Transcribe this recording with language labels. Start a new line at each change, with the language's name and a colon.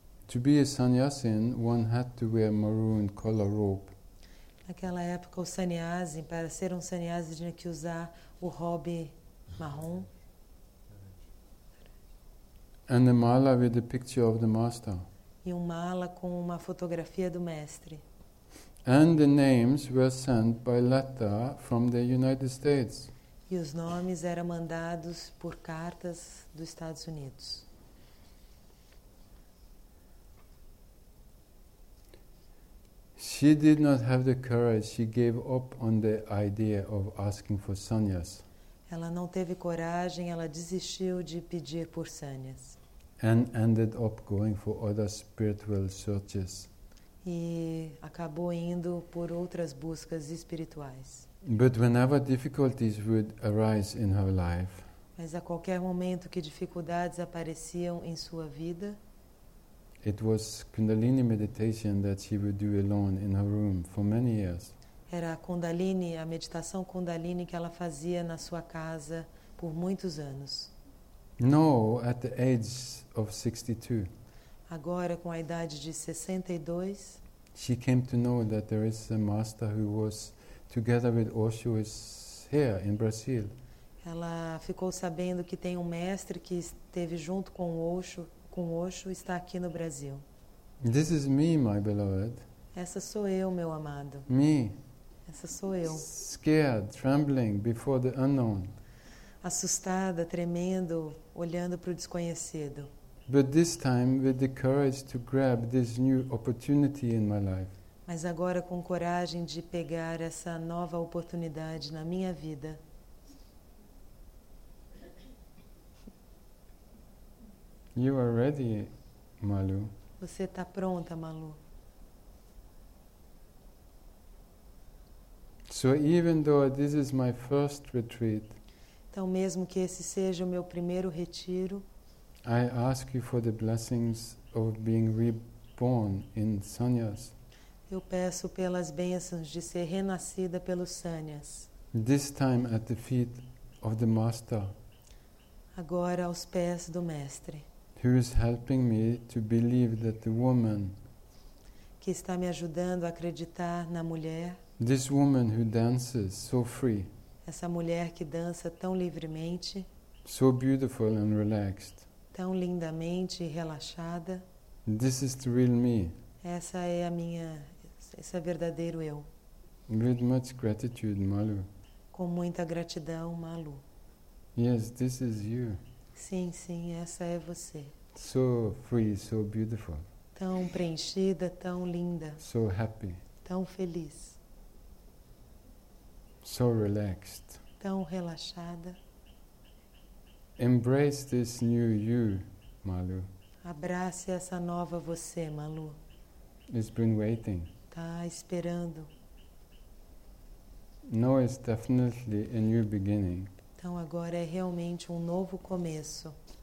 English: to be a sannyasin, one had to wear maroon color robe.
Portuguese: Naquela época, o sannyasi, para ser um sannyasi, tinha que usar o robe marrom.
English: And a mala with a picture of the master.
Portuguese: E um mala com uma fotografia do mestre.
English: And the names were sent by letter from the United States.
Portuguese: E os nomes eram mandados por cartas dos Estados Unidos.
English: She did not have the courage. She gave up on the idea of asking for sannyas.
Portuguese: Ela não teve coragem, ela desistiu de pedir por sannyas.
English: And ended up going for other spiritual searches.
Portuguese: E acabou indo por outras buscas espirituais.
English: But whenever difficulties would arise in her life,
Portuguese: mas a qualquer momento que dificuldades apareciam em sua vida,
English: it was Kundalini meditation that she would do alone in her room for many years.
Portuguese: Era Kundalini, a meditação Kundalini que ela fazia na sua casa por muitos anos.
English: No, at the age of 62.
Portuguese: Agora com a idade de 62,
English: she came to know that there is a master who was together with Osho is here in Brazil.
Portuguese: Ela ficou sabendo que tem mestre que esteve junto com Osho, está aqui no Brasil.
English: This is me, my beloved.
Portuguese: Essa sou eu, meu amado.
English: Me.
Portuguese: Essa sou eu.
English: Scared, trembling before the unknown.
Portuguese: Assustada, tremendo, olhando para o desconhecido.
English: But this time with the courage to grab this new opportunity in my life.
Portuguese: Mas agora com coragem de pegar essa nova oportunidade na minha vida.
English: You are ready, Malu.
Portuguese: Você está pronta, Malu.
English: So even though this is my first retreat,
Portuguese: então mesmo que esse seja o meu primeiro retiro,
English: I ask you for the blessings of being reborn in sannyas.
Portuguese: Eu peço pelas bênçãos de ser renascida pelos sannyas.
English: This time at the feet of the master.
Portuguese: Agora aos pés do mestre.
English: Who is helping me to believe that the woman,
Portuguese: que está me ajudando a acreditar na mulher,
English: this woman who dances so free,
Portuguese: essa mulher que dança tão livremente,
English: so beautiful and relaxed,
Portuguese: tão lindamente relaxada,
English: this is the real me,
Portuguese: essa é a minha, esse é verdadeiro eu.
English: With much gratitude, Malu.
Portuguese: Com muita gratidão, Malu.
English: Yes, this is you.
Portuguese: Sim, sim, essa é você.
English: So free, so beautiful.
Portuguese: Tão preenchida, tão linda.
English: So happy.
Portuguese: Tão feliz.
English: So relaxed.
Portuguese: Tão relaxada.
English: Embrace this new you, Malu.
Portuguese: Abrace essa nova você, Malu.
English: It's been waiting.
Portuguese: Tá esperando.
English: Now it's definitely a new beginning.
Portuguese: Então agora é realmente um novo começo.